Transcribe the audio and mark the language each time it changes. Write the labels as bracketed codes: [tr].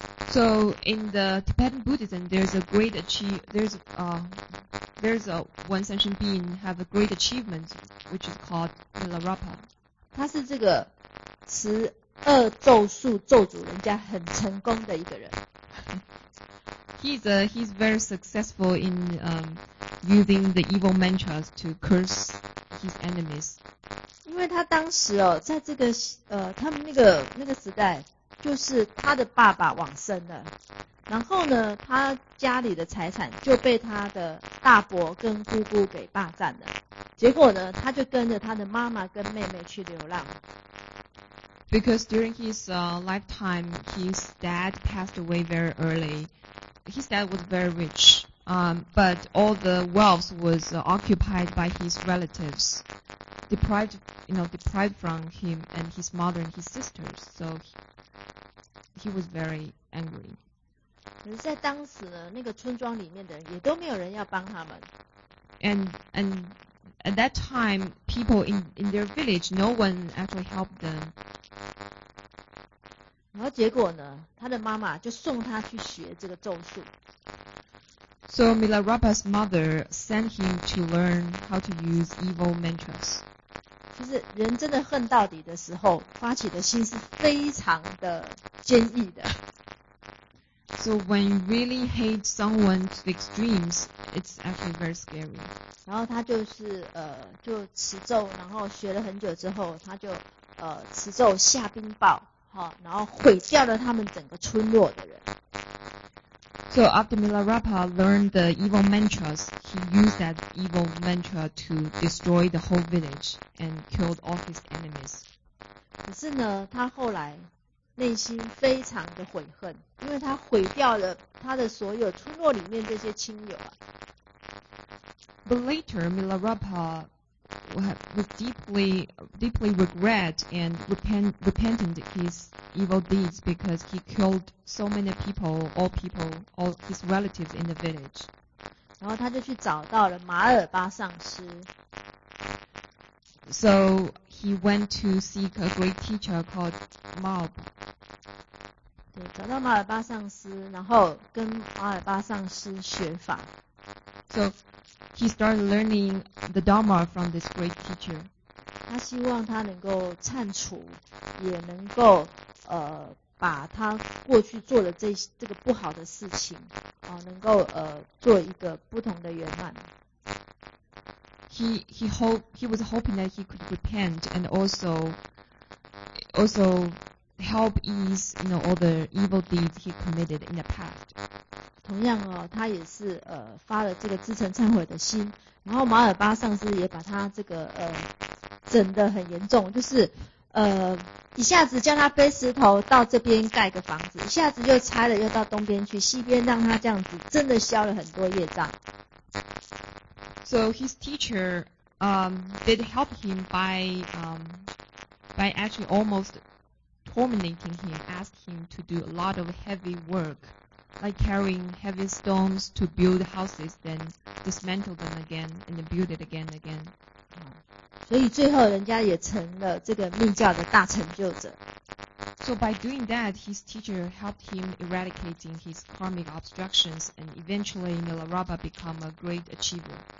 [en] So in the Tibetan Buddhism, there's one sentient being have a great achievement, which is called Milarepa. [zh] 他是这个持二咒术咒诅人家很成功的一个人。 [en] He's very successful in using the evil mantras to curse his enemies. [zh] 因为他当时哦，在这个他们那个时代，就是他的爸爸往生了，然后呢，他家里的财产就被他的大伯跟姑姑给霸占了，结果呢，他就跟着他的妈妈跟妹妹去流浪。 [en] Because during his lifetime, his dad passed away very early. His dad was very rich, but all the wealth was occupied by his relatives, deprived from him and his mother and his sisters. So he was very angry. [zh] 可是在当时呢，那个村庄里面的人也都没有人要帮他们。 [en] And at that time, people in their village, no one actually helped them. [zh] 然后结果呢，他的妈妈就送他去学这个咒术。 [en] So Milarepa's mother sent him to learn how to use evil mantras. [zh] 就是人真的恨到底的时候，发起的心是非常的坚毅的。 [en] So when you really hate someone to the extremes, it's actually very scary. [zh] 然后他就是就持咒，然后学了很久之后，他就持咒下冰雹。然后毁掉了他们整个村落的人。 [en] So after Milarepa learned the evil mantras, he used that evil mantra to destroy the whole village and killed all his enemies. [zh] 可是呢，他后来内心非常的悔恨，因为他毁掉了他的所有村落里面这些亲友啊。 [en] But later, Milarepa was deeply regret and repented his evil deeds because he killed so many people, all his relatives in the village. [zh] 然后他就去找到了马尔巴上师。 [en] So he went to seek a great teacher called Malb. [zh] 对，找到马尔巴上师，然后跟马尔巴上师学法。 [en] So he started learning the Dharma from this great teacher. [zh] 他希望他能够忏除，也能够把他过去做的这个不好的事情，能够做一个不同的圆满。 [en] He was hoping that he could repent and also help ease, you know, all the evil deeds he committed in the past. [zh] 同样哦，他也是发了这个自诚忏悔的心，然后马尔巴上师也把他这个整得很严重，就是一下子叫他背石头到这边盖个房子，一下子又拆了又到东边去，西边让他这样子，真的消了很多业障。 [en] So his teacher did help him by actually almost tormenting him, asked him to do a lot of heavy work, like carrying heavy stones to build houses, then dismantle them again and then build it again and again. [zh] 所以最后人家也成了这个密教的大成就者。 [en] So by doing that, his teacher helped him eradicating his karmic obstructions, and eventually Milarepa became a great achiever.